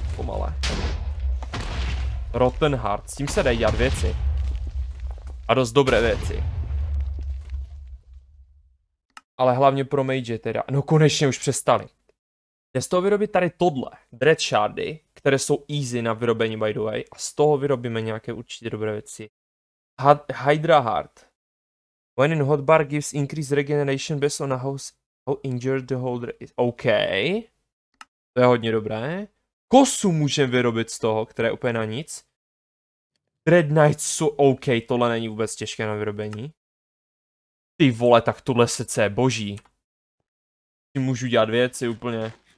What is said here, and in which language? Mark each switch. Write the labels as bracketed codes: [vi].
[cs] Ale Rotten Heart, s tím se dají dělat věci. A dost dobré věci. Ale hlavně pro mage teda, no konečně už přestali. Jde z toho vyrobit tady tohle, Dread Shardy, které jsou easy na vyrobení [en] by the way, [cs] a z toho vyrobíme nějaké určitě dobré věci. Hydra Heart. [en] When in hotbar gives increased regeneration based on how injured the holder is. [cs] OK. To je hodně dobré. Kosu můžeme vyrobit z toho, které je úplně na nic. Dread Knights jsou OK, tohle není vůbec těžké na vyrobení. Ty vole, tak tohle srdce je boží. Si můžu dělat věci úplně.